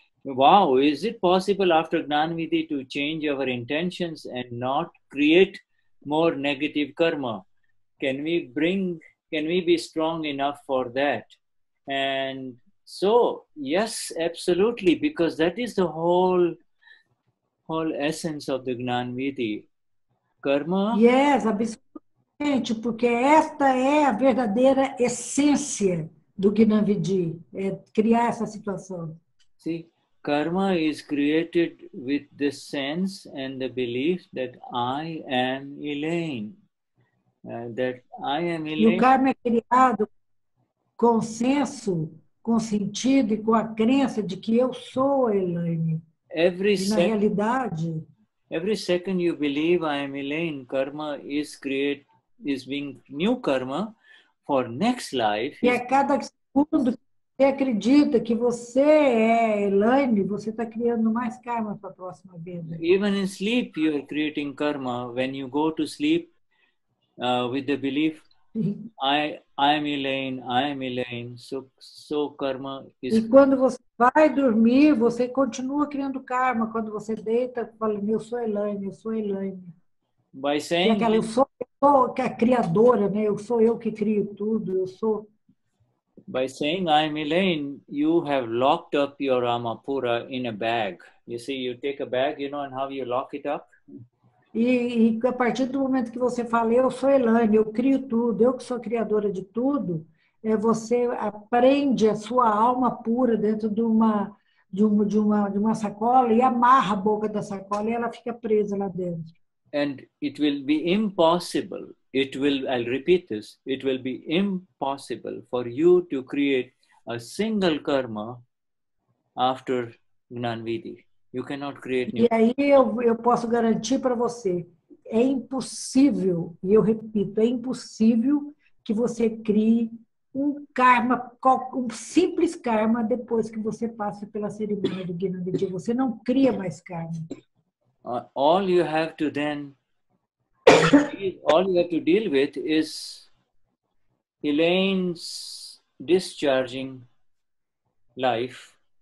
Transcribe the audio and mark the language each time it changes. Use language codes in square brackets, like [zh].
[en] Wow, is it possible after Gnanvidhi to change our intentions and not create more negative karma? Can we bring... Can we be strong enough for that? And so, yes, absolutely, because that is the whole essence of the Gnanvidhi. Karma? Yes, absolutely, [pt] porque esta é a verdadeira essência do Gnanvidhi, é criar essa situação. [en] See, karma is created with the sense and the belief that I am Elaine. That I am Elaine. [pt] E o karma é criado com senso, com sentido e com a crença de que eu sou Elaine. [en] Every [pt] e na realidade, [en] every second you believe I am Elaine, karma is create is being new karma for next life. [pt] E a cada segundo que você acredita que você é Elaine, você está criando mais karma para a próxima vida. [en] Even in sleep you are creating karma when you go to sleep. With the belief, I am Elaine, so karma is... [pt] E quando você vai dormir, você continua criando karma. Quando você deita, fala, eu sou Elaine. By saying... E aquela, eu sou a criadora, né? Eu sou eu que crio tudo, eu sou... [en] By saying, I am Elaine, you have locked up your Amapura in a bag. You see, you take a bag, you know, and how you lock it up? [pt] E a partir do momento que você fala, eu sou Elaine, eu crio tudo, eu que sou a criadora de tudo, é você aprende a sua alma pura dentro de uma sacola e amarra a boca da sacola e ela fica presa lá dentro. [en] And it will be impossible, it will, I'll repeat this, it will be impossible for you to create a single karma after Gnanvidhi. You cannot create new. [pt] E aí eu posso garantir para você, é impossível, e eu repito, é impossível que você crie um karma, um simples karma depois que você passa pela cerimônia do Gnanvidhi. Você não cria mais karma. [en] All you have to then, all you have to deal with is Elaine's discharging life.